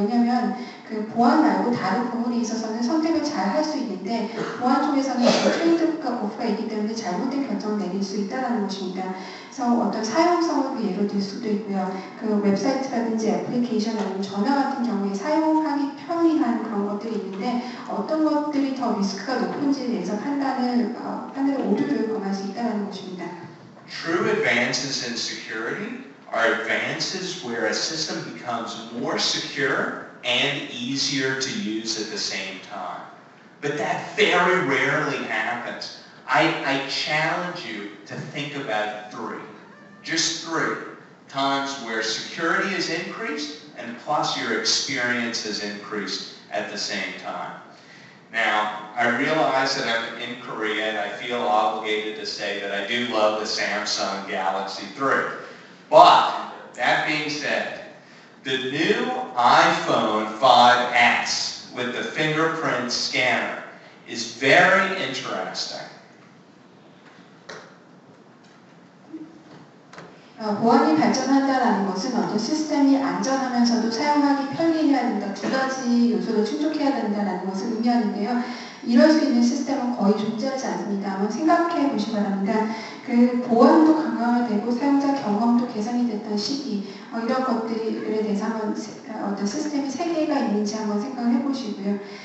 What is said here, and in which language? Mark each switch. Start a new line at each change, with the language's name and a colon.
Korean: 왜냐하면 그 보안 말고 다른 부분에 있어서는 선택을 잘 할 수 있는데 보안 쪽에서는 트레이드오프가 있기 때문에 잘못된 결정을 내릴 수 있다는 것입니다. 그래서 어떤 사용성을 예로 들 수도 있고요. 그 웹사이트라든지 애플리케이션 아니면 전화 같은 경우에 사용하기 편리한 그런 것들이 있는데 어떤 것들이 더 리스크가 높은지에 대해서 판단을 오류를 범할 수 있다는 것입니다.
English: True advances in security are advances where a system becomes more secure and easier to use at the same time. But that very rarely happens. I challenge you to think about three, just three times where security is increased and plus your experience is increased at the same time. Now, I realize that I'm in Korea and I feel obligated to say that I do love the Samsung Galaxy 3. But, that being said, the new iPhone 5S with the fingerprint scanner is very interesting.
Korean: 보안이 발전한다라는 것은 어떤 시스템이 안전하면서도 사용하기 편리해야 된다. 두 가지 요소를 충족해야 된다라는 것을 의미하는데요. 이럴 수 있는 시스템은 거의 존재하지 않습니다. 한번 생각해 보시기 바랍니다. 그 보안도 강화되고 사용자 경험도 개선이 됐던 시기, 이런 것들에 대해서 한번 어떤 시스템이 세 개가 있는지 한번 생각을 해보시고요.